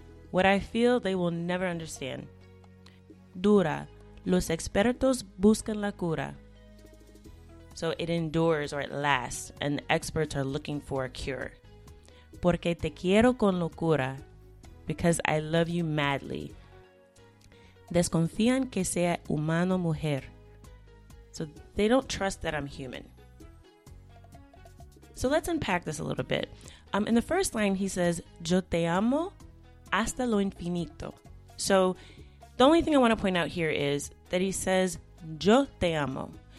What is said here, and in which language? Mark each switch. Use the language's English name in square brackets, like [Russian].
[English] What I feel, they will never understand. Dura. [Spanish] Los expertos buscan la cura. [English] So it endures or it lasts, and the experts are looking for a cure. [Spanish] Porque te quiero con locura. [English] Because I love you madly. [Spanish] Desconfían que sea humano mujer. [English] So they don't trust that I'm human. So let's unpack this a little bit. In the first line, he says, [Spanish] yo te amo hasta lo infinito. [English] So the only thing I want to point out here is that he says, [Spanish] yo te amo.